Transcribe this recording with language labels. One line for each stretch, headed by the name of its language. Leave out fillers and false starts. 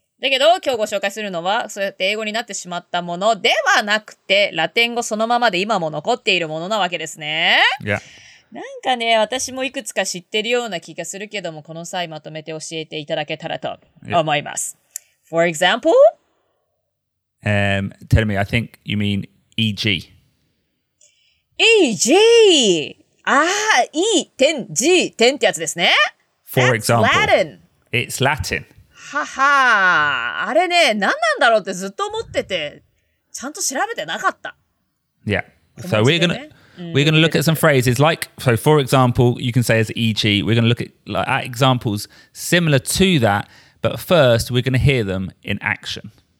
Japanese: だけど今日ご紹介するのはそうやって英語になってしまったものではなくてラテン語そのままで今も残っているものなわけですね。
English: Yeah.
Japanese: なんかね私もいくつか知ってるような気がするけどもこの際まとめて教えていただけたらと思います。
English: Yeah. For example? Tell me, I think you mean E.G.
Japanese: E.G. ああ、E. 点 G. 点ってやつですね。
English: For example. Latin. It's Latin.
Japanese: ははあれね、何なんだろうってずっと思ってて、ちゃんと調べてなかった。
English: Yeah. So we're gonna look at some phrases like, so for example, you can say as e.g., we're gonna look at, like, at examples similar to that, but first we're gonna hear them in action.